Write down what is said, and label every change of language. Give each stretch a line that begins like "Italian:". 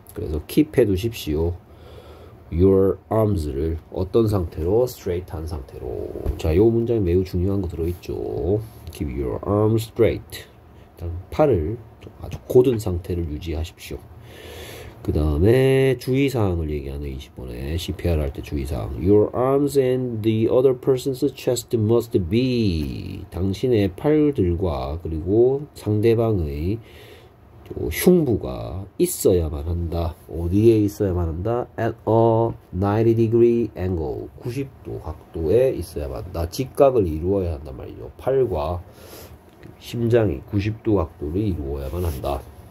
Korean: 그래서 keep 해두십시오.
English: Your arms
Korean: 를 어떤 상태로? Straight한 상태로. 자, 요 문장이 매우 중요한 거 들어있죠.
English: Keep your arms straight.
Korean: 일단 팔을 아주 곧은 상태를 유지하십시오. 그 다음에 주의사항을 얘기하는 20번에 CPR 할때 주의사항.
English: Your arms and the other person's chest must be.
Korean: 당신의 팔들과 그리고 상대방의 흉부가 있어야만 한다. 어디에 있어야만 한다?
English: At a 90 degree angle.
Korean: 90도 각도에 있어야만 한다. 직각을 이루어야 한단 말이죠. 팔과 심장이 90도 각도를 이루어야만 한다.